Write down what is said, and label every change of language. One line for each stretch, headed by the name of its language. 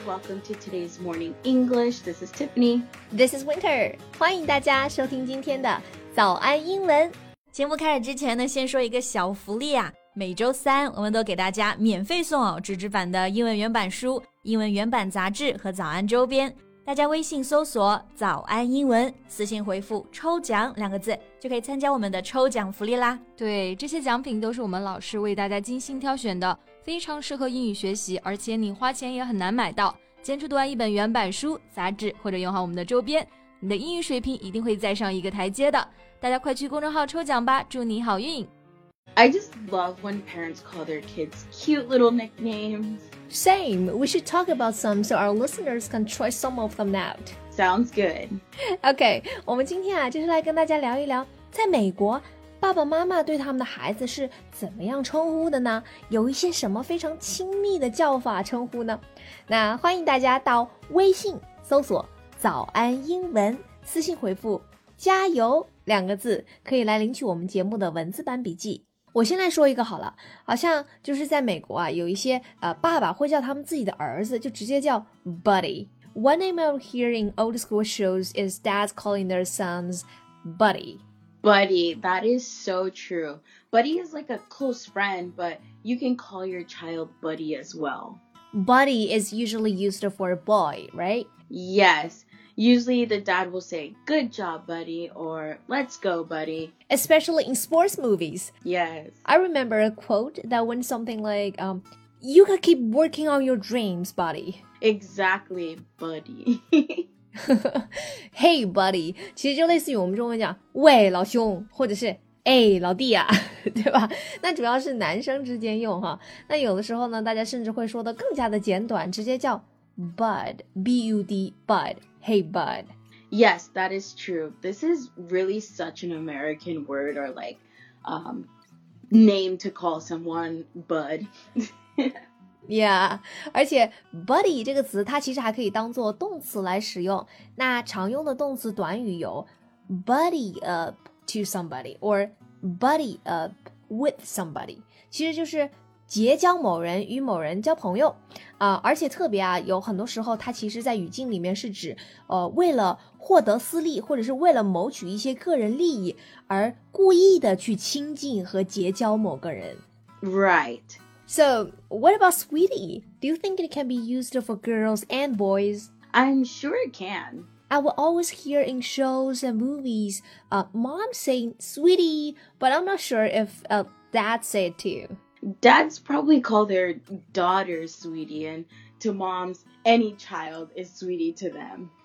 English: Welcome to today's Morning English. This is Tiffany. This is Winter.
Chinese: 欢迎大家收听今天的早安英文。节目开始之前呢，先说一个小福利啊。每周三我们都给大家免费送哦纸质版的英文原版书、英文原版杂志和早安周边。大家微信搜索早安英文，私信回复抽奖两个字，就可以参加我们的抽奖福利啦。对，这些奖品都是我们老师为大家精心挑选的，非常适合英语学习，而且你花钱也很难买到。坚持读完一本原版书、杂志或者用好我们的周边，你的英语水平一定会再上一个台阶的。大家快去公众号抽奖吧，祝你好运。
English: I just love when parents call their kids cute little nicknames. Same. We should talk about some so our listeners can try some of them out. Sounds good.
Chinese: Okay, 我们今天啊，就是来跟大家聊一聊，在美国，爸爸妈妈对他们的孩子是怎么样称呼的呢？有一些什么非常亲密的叫法称呼呢？那欢迎大家到微信搜索早安英文，私信回复加油两个字，可以来领取我们节目的文字版笔记。我先来说一个好了，好像就是在美国啊，有一些爸爸会叫他们自己的儿子就直接叫 buddy。
English: One name I'm hearing old school shows is dads calling their sons buddy. Buddy, that is so true. Buddy is like a close friend, but you can call your child buddy as well. Buddy is usually used for a boy, right? Yes. Usually the dad will say, good job, buddy, or let's go, buddy. Especially in sports movies. Yes. I remember a quote that went something like, you can keep working on your dreams, buddy. Exactly, buddy. Hey, buddy.
Chinese: 其实就类似于我们中文讲喂老兄或者是哎老弟啊对吧，那主要是男生之间用哈。那有的时候呢，大家甚至会说的更加的简短，直接叫 bud, B-U-D, bud.
English: Hey, bud. Yes, that is true. This is really such an American word or like, name to call someone, bud.
Chinese: Yeah, 而且 buddy 这个词它其实还可以当作动词来使用。那常用的动词短语有
English: buddy up to somebody or buddy up with somebody.
Chinese: 其实就是结交某人，与某人交朋友，而且特别啊，有很多时候它其实在语境里面是指，为了获得私利，或者是为了谋取一些个人利益，而故意的去亲近和结交某个人。
English: Right. So, what about sweetie? Do you think it can be used for girls and boys? I'm sure it can. I will always hear in shows and movies, mom saying sweetie, but I'm not sure if dad say it too. Dads probably call their daughters sweetie, and to moms, any child is sweetie to them.